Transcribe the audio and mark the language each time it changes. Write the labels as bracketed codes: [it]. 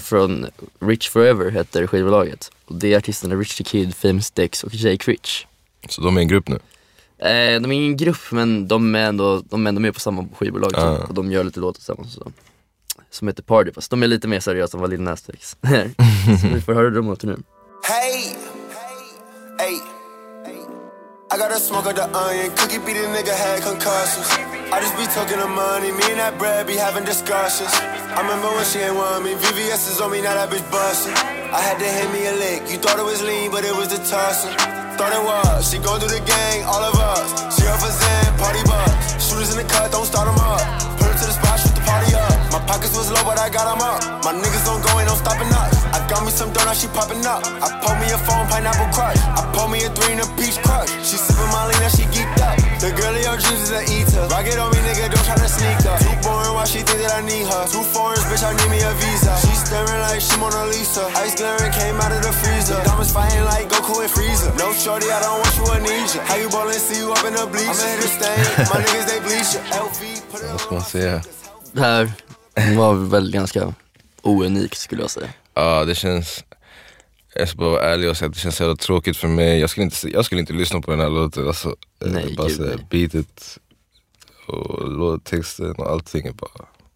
[sv] Från Rich Forever heter skivbolaget. Och det är artisterna Rich the Kid, Famous Dex och Jay Critch. Så de är en grupp nu? De är ingen grupp, men de är ändå med på samma skivbolag. Så, och de gör lite låtar tillsammans och så. Som heter Party, fast de är lite mer seriösa än vad Lil Nas X. Så vi får höra dem åter nu. Hey! [en] Ayy, ay. I got a smoke of the onion, cookie beat a nigga had concussions. I just be talking the money, me and that bread be having discussions. I remember when she ain't want me, VVS is on me, now that bitch bustin'. I had to hit me a lick, you thought it was lean, but it was the tossin'. Thought it was, she gon' do the gang, all of us. She up a zen, party bus, shooters in the cut, don't start them up. Put her to the spot, shoot the party up. My pockets was low, but I got them up. My niggas don't go, ain't no stopping up. I got me some donuts, she popping up. I pull me a phone, pineapple crush. I pull me a three in a peach crush. She sipping my lean, now she geeked up. The girl of your dreams is a eater. Rock it on me, nigga, don't try to sneak up. Too boring, why she think that I need her? Too foreign, bitch, I need me a visa. She staring like she Mona Lisa. Ice glaring came out of the freezer. Diamonds fighting like Goku and Frieza. No shorty, I don't want you an Asia. How you ballin', see you up in the bleacher. I'm in the stain, my niggas, they bleach you. LV, put it on my finger. [sv] Det var väl ganska ounikt skulle jag säga. Ja, det känns, jag ska bara vara ärlig och säga att det känns jävla tråkigt för mig. Jag skulle inte lyssna på den här låten. Alltså, nej, bara gud, beatet och låttexten och allting är bara...